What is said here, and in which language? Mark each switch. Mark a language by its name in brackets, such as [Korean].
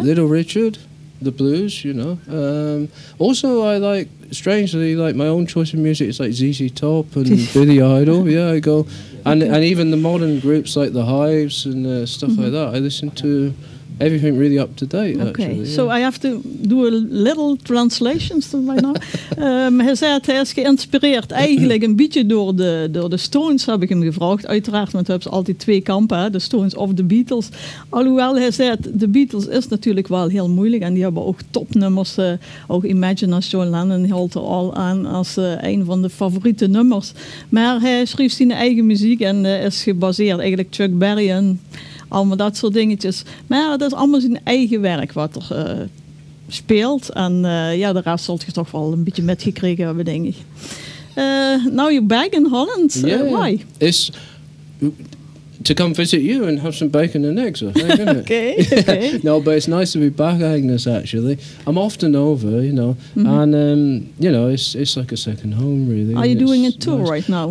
[English] Little Richard, the blues, you know. Also, I like... Strangely, like my own choice of music is like ZZ Top and Billy Idol. Yeah, I go, and even the modern groups like the Hives and stuff mm-hmm. like that. I listen to everything really up to date. Okay, actually, yeah. So I have to do a little translation. [Dutch] Hij zei het, hij is geïnspireerd eigenlijk een beetje door de Stones, heb ik hem gevraagd. Uiteraard, want we hebben altijd twee kampen, de Stones of de Beatles. Alhoewel, hij zei het, de Beatles is natuurlijk wel heel moeilijk en die hebben ook topnummers. Ook Imagine als John Lennon hield er al aan als een van de favoriete nummers. Maar hij schreef zijn eigen muziek en is gebaseerd, eigenlijk Chuck Berry en... Allemaal dat soort dingetjes. Maar ja, dat is allemaal zijn eigen werk wat er speelt. En ja, de rest zult je toch wel een beetje metgekregen hebben, denk ik. [English] Now you're back in Holland. Yeah. Why? It's to come visit you and have some bacon and eggs, I think, okay. No, but it's nice to be back, Agnes, actually. I'm often over, you know. Mm-hmm. And, you know, it's like a second home, really. Are you doing a tour nice. Right now?